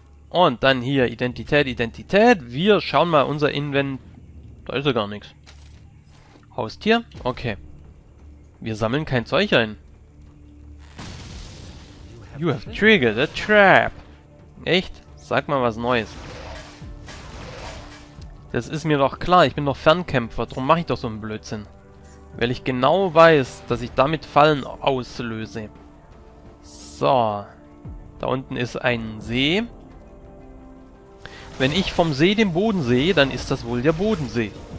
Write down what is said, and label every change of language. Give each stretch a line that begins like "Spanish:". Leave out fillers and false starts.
German: Und dann hier Identität, Identität. Wir schauen mal unser Invent. Da ist ja gar nichts. Haustier? Okay. Wir sammeln kein Zeug ein.
English: You have triggered a trap.
German: Echt? Sag mal was Neues. Das ist mir doch klar. Ich bin doch Fernkämpfer. Drum mache ich doch so einen Blödsinn. Weil ich genau weiß, dass ich damit Fallen auslöse. So. Da unten ist ein See. Wenn ich vom See den Boden sehe, dann ist das wohl der Bodensee.